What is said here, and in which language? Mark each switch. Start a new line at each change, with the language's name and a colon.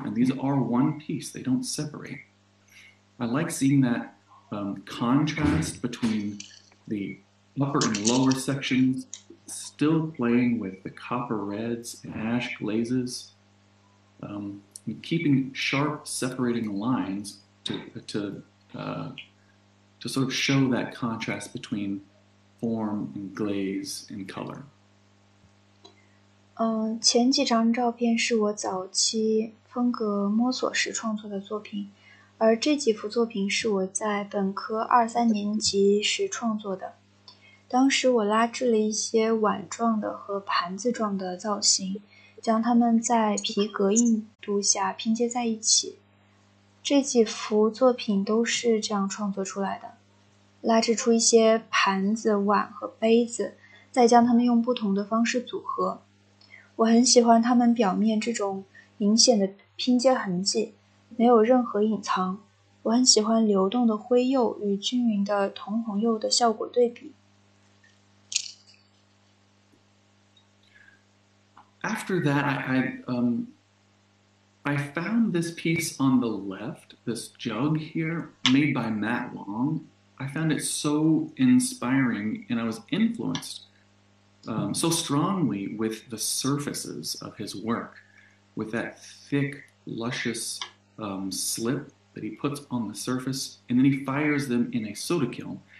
English: And these are one piece, they don't separate. I like seeing that contrast between the upper and lower sections, still playing with the copper reds and ash glazes, and keeping sharp separating lines to sort of show that contrast between form and glaze and color.
Chinese: 前几张照片是我早期风格摸索时创作的作品，而这几幅作品是我在本科二三年级时创作的。当时我拉制了一些碗状的和盘子状的造型，将它们在皮革硬度下拼接在一起。这几幅作品都是这样创作出来的，拉制出一些盘子、碗和杯子，再将它们用不同的方式组合。我很喜欢它们表面这种明显的拼接痕迹，没有任何隐藏。我很喜欢流动的灰釉与均匀的铜红釉的效果对比。
English: After that, I found this piece on the left, this jug here, made by Matt Long. I found it so inspiring, and I was influenced so strongly with the surfaces of his work, with that thick, luscious slip that he puts on the surface, and then he fires them in a soda kiln.